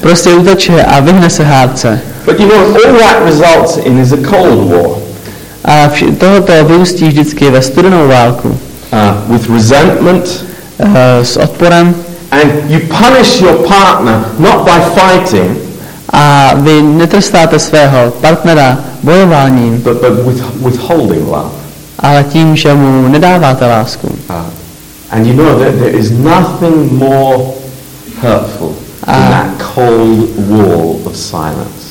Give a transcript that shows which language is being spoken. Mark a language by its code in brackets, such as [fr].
[cs] Prostě uteče a vyhne se hádce. [en] But you know, all that results in is a cold war. [cs] A tohoto vyústí vždycky ve studenou válku. [en] With resentment. [cs] S odporem. [en] And you punish your partner not by fighting. [cs] A vy netrestáte svého partnera bojováním. [en] But withholding love. [cs] Ale tím, že mu nedáváte lásku. [en] And you know that there is nothing more hurtful than that cold wall of silence.